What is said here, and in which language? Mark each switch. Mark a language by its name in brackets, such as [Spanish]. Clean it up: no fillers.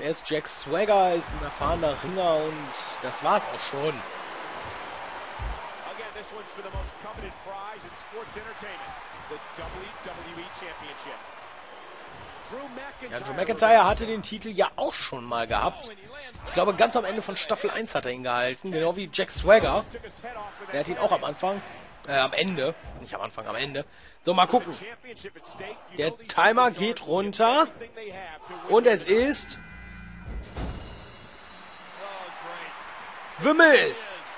[German] Er ist Jack Swagger, ist ein erfahrener Ringer und das war's auch schon. [English] Again, this one's for the most coveted prize in sports entertainment, the WWE Championship. [German] Ja, Drew McIntyre hatte den Titel ja auch schon mal gehabt. Ich glaube, ganz am Ende von Staffel 1 hat er ihn gehalten, genau wie Jack Swagger. Er hat ihn auch am Anfang, am Ende, nicht am Anfang, am Ende. So, mal gucken. Der Timer geht runter und es ist The Miz.